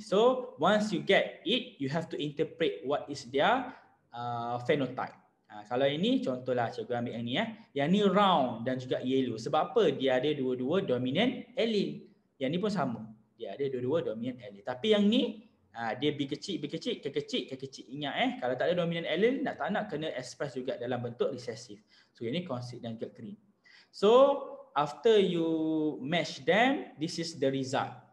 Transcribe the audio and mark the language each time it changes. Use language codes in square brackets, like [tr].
[en] So once you get it, you have to interpret what is their phenotype. [ms] Kalau ini contohlah cikgu ambil yang ni. Yang ni round dan juga yellow. Sebab apa? Dia ada dua-dua dominant allele. Yang ni pun sama. Dia ada dua-dua dominant allele. Tapi yang ni dia B kecil, B kecil, K kecil, K kecil. Ingat kalau tak ada dominant allele, nak tak nak kena express juga dalam bentuk recessive. So ini constrict dan juga kering. [en] So after you match them, this is the result.